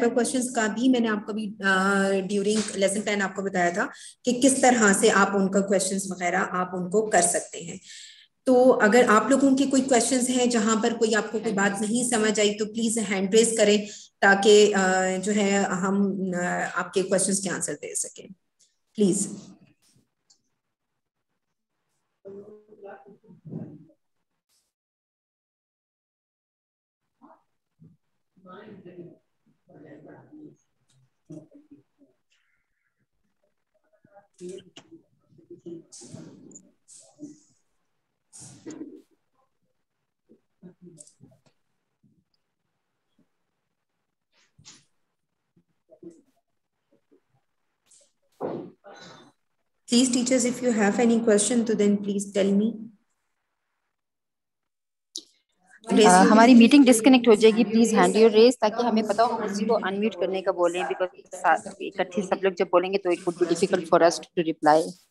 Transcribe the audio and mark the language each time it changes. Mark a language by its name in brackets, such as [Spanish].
[Hindi] Wrap up questions का भी मैंने आपको भी ड्यूरिंग लेसन प्लान आपको बताया था कि किस तरह से आप उनका क्वेश्चंस वगैरह आप उनको कर सकते हैं। तो अगर आप लोगों के कोई क्वेश्चंस हैं जहां पर कोई आपको कोई बात नहीं समझ आई तो प्लीज हैंड रेज करें, ताकि जो है हम आपके क्वेश्चंस के आंसर दे सकें। Please [English] please teachers, if you have any question to then please tell me। [Hindi] हमारी मीटिंग डिस्कनेक्ट हो जाएगी, प्लीज [English] hand your raise [Hindi] ताकि हमें पता हो उसी को अनम्यूट करने का बोलें, बिकॉज़ इकट्ठे सब लोग जब बोलेंगे तो [English] It would be difficult for us to reply.